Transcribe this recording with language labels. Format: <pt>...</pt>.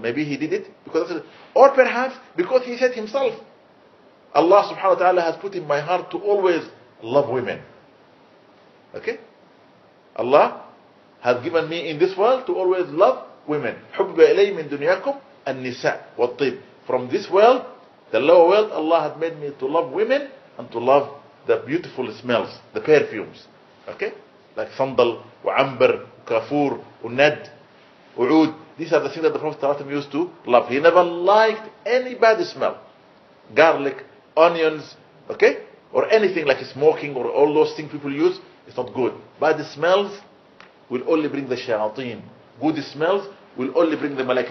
<en>Maybe he did it because of it. Or perhaps because he said himself, Allah subhanahu wa ta'ala has put in my heart to always love women. Okay? Allah has given me in this world to always love women.</en> <ar>حُبَّ إِلَيْهِ مِن دُنْيَاكُمْ النِّسَاءِ وَالطِّيبِ.</ar> <en>From this world, the lower world, Allah has made me to love women and to love the beautiful smells, the perfumes. Okay? Like sandal,</en> <ar>وعنبر, وكافور, وند, وعود.</ar> <en>These are the things that the Prophet ﷺ used to love. He never liked any bad smell. Garlic, onions, okay? Or anything like smoking or all those things people use, it's not good. Bad smells will only bring the shayateen. Good smells will only bring the malaik.</en>